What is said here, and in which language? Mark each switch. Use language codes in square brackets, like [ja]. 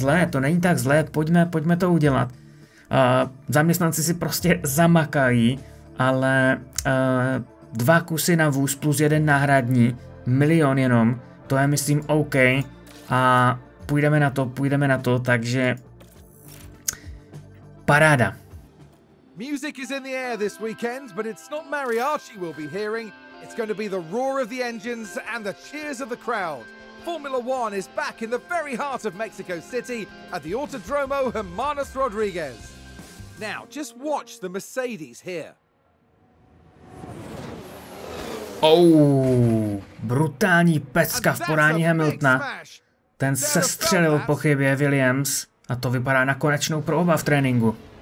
[cs] To není tak zlé, pojďme to udělat. Zaměstnanci si prostě zamakají, ale dva kusy na vůz plus jeden náhradní, milion jenom, to je myslím OK a půjdeme na to, takže paráda. [en] Music is in the air this weekend, but it's not mariachi we'll be hearing, it's going to be the roar of the engines and the cheers of the crowd. Formula One is back in the very heart of Mexico City at the Autodromo Hermanos Rodriguez. Now, just watch the Mercedes here. [cs] Oh, brutální pecka v podání Hamiltona. Ten sestřelil po chybě Williams. A to vypadá na konečnou pro oba v tréninku.